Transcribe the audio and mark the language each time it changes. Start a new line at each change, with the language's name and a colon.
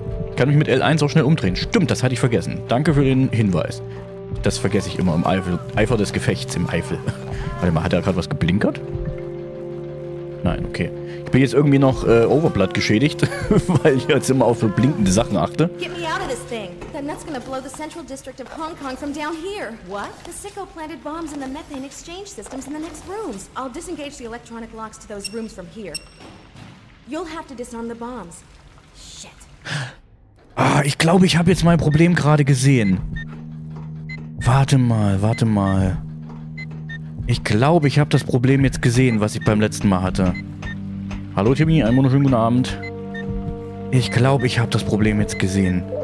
German: Ich kann mich mit L1 auch schnell umdrehen. Stimmt, das hatte ich vergessen. Danke für den Hinweis. Das vergesse ich immer im Eifer des Gefechts, im Eifel. Warte mal, hat er gerade was geblinkert? Nein, okay. Ich bin jetzt irgendwie noch Overblood geschädigt, weil ich jetzt immer auf blinkende Sachen achte.
English: Get me out of this thing. That nut's gonna blow the central district of Hong Kong from down here. What? The sicko planted bombs in the methane exchange systems in the next rooms. I'll disengage the electronic locks to those rooms from here. You'll have to disarm the bombs. Shit.
German: Ah, ich glaube, ich habe jetzt mein Problem gerade gesehen. Warte mal, warte mal. Ich glaube, ich habe das Problem jetzt gesehen, was ich beim letzten Mal hatte. Hallo Timmy, einen wunderschönen guten Abend. Ich glaube, ich habe das Problem jetzt gesehen.